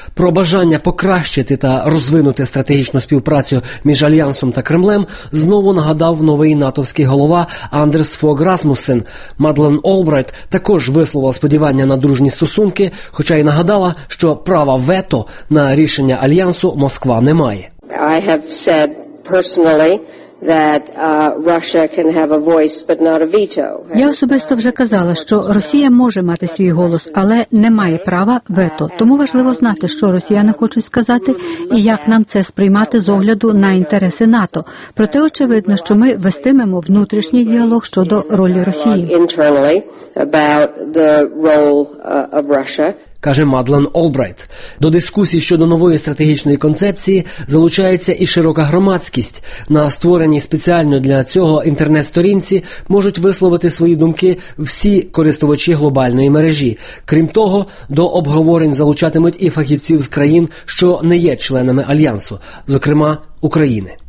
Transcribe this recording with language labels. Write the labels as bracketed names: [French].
[Ukrainian] Про бажання покращити та розвинути стратегічну співпрацю між Альянсом та Кремлем знову нагадав новий натовський голова Андерс Фог Расмуссен. Мадлен Олбрайт також висловила сподівання на дружні стосунки, хоча й нагадала, що права вето на рішення Альянсу Москва не має. [English] I have said personally that Russia can have a voice but not a veto. [Ukrainian] Я особисто вже казала, що Росія може мати свій голос, але не має права вето. Тому важливо знати, що росіяни хочуть сказати і як нам це сприймати з огляду на інтереси НАТО. Проте очевидно, що ми вестимемо внутрішній діалог щодо ролі Росії. [English] Internally about the role of Russia. [Ukrainian] Каже Мадлен Олбрайт. До дискусії щодо нової стратегічної концепції залучається і широка громадськість. На створеній спеціально для цього інтернет-сторінці можуть висловити свої думки всі користувачі глобальної мережі. Крім того, до обговорень залучатимуть і фахівців з країн, що не є членами Альянсу, зокрема України.